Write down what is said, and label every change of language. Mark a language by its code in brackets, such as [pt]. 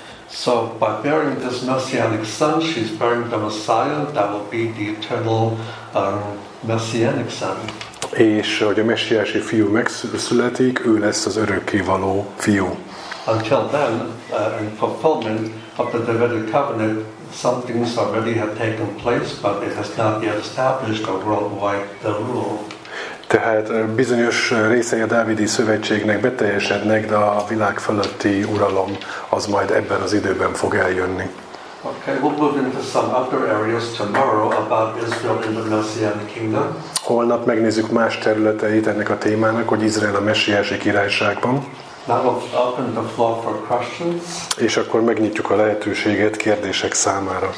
[en] So by bearing this messianic son, she's bearing the Messiah that will be the eternal messianic son. [hu] És hogy a messiási fiú megszületik, ő lesz az örökkévaló fiú. [en] Until then, in fulfillment of the Davidic covenant, some things already have taken place, but it has not yet established a worldwide rule. [hu] Tehát bizonyos részei a dávidi szövetségnek beteljesednek, de a világ fölötti uralom az majd ebben az időben fog eljönni. [en] Okay, we'll move into some other areas tomorrow about Israel in the Messianic kingdom. [hu] Holnap megnézzük más területeit ennek a témának, hogy Izrael a messiási királyságban. [en] That will open the floor for questions. [hu] És akkor megnyitjuk a lehetőséget kérdések számára.